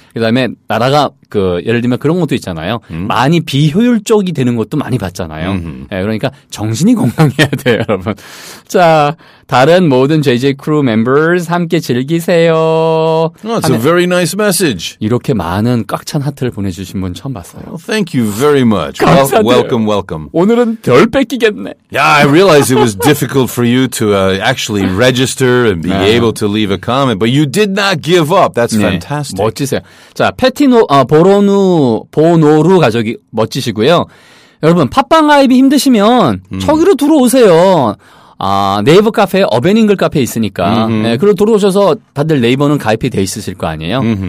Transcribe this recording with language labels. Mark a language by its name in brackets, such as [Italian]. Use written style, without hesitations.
[Korean] 그다음에 나라가 그 예를 들면 그런 것도 있잖아요. 많이 비효율적이 되는 것도 많이 봤잖아요. 예, 그러니까 정신이 건강해야 돼요, 여러분. 자, 다른 모든 JJ 크루 멤버스 함께 즐기세요. [English] That's a very nice message. [Korean] 이렇게 많은 꽉 찬 하트를 보내주신 분 처음 봤어요. [English] Well, thank you very much. [Korean] 감사드려요. [English] Welcome, welcome. [Korean] 오늘은 덜 뺏기겠네. [English] Yeah, I realize it was difficult for you to actually register and be 네. able to leave a comment, but you did not give up. That's [Korean] 네. [English] fantastic. [Korean] 멋지세요. 자, 패티노, 보로누, 보노루 가족이 멋지시고요. 여러분, 팟빵 가입이 힘드시면 저기로 들어오세요. 아, 네이버 카페, 어벤잉글 카페 있으니까. 네, 그리고 들어오셔서 다들 네이버는 가입이 돼 있으실 거 아니에요?